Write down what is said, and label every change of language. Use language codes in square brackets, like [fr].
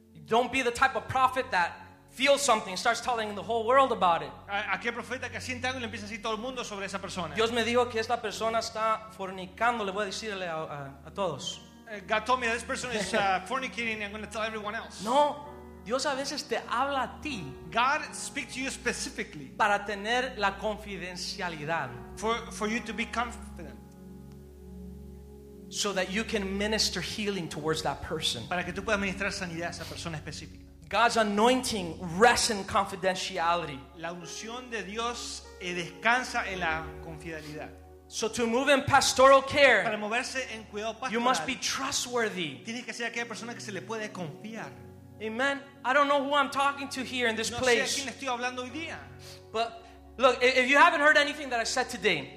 [en] don't be the type of prophet that feels something and starts telling the whole world about it. [es] ¿A qué profeta que siente algo y le empieza a decir todo el mundo sobre esa persona? Dios me dijo que esta persona está fornicando, le voy a decirle a todos. [en] God told me that this person is fornicating, I'm going to tell everyone else. [es] No. Dios a veces te habla a ti. [en] God speaks to you specifically. [es] Para tener la confidencialidad. [en] For you to be confident. So that you can minister healing towards that person. [es] Para que tú puedas ministrar sanidad a esa persona específica. [en] God's anointing rests in confidentiality. [es] La unción de Dios descansa en la confidencialidad. [en] So to move in pastoral care, [es] para moverse en cuidado pastoral, [en] you must be trustworthy. [es] Tienes que ser aquella persona que se le puede confiar. [en] Amen. I don't know who I'm talking to here in this no place. [es] Sé a quién estoy hablando hoy día. [en] But look, if you haven't heard anything that I said today,